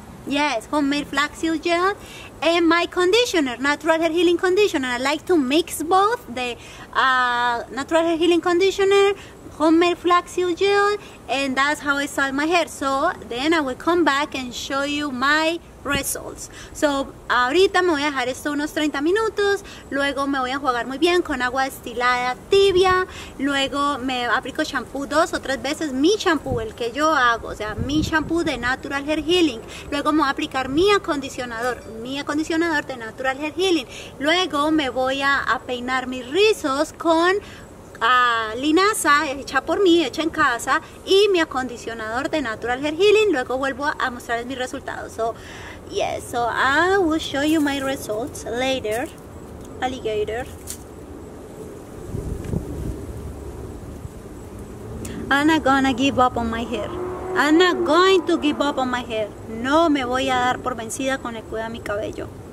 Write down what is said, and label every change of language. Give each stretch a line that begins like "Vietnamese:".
English: Yes, homemade flaxseed gel and my conditioner, natural hair healing conditioner. I like to mix both, the natural hair healing conditioner, homemade flaxseed gel, and that's how I style my hair. So then I will come back and show you my results.
Spanish: So ahorita me voy a dejar esto unos 30 minutos, luego me voy a enjuagar muy bien con agua destilada tibia, luego me aplico shampoo dos o tres veces, mi shampoo, el que yo hago, o sea, mi shampoo de Natural Hair Healing, luego me voy a aplicar mi acondicionador de Natural Hair Healing, luego me voy a peinar mis rizos con linaza hecha por mí, hecha en casa, y mi acondicionador de Natural Hair Healing. Luego vuelvo a mostrarles mis resultados.
English: So, yes, so I will show you my results later. Alligator. I'm not gonna give up on my hair. I'm not going to give up on my hair.
Spanish: No me voy a dar por vencida con el cuidado de mi cabello.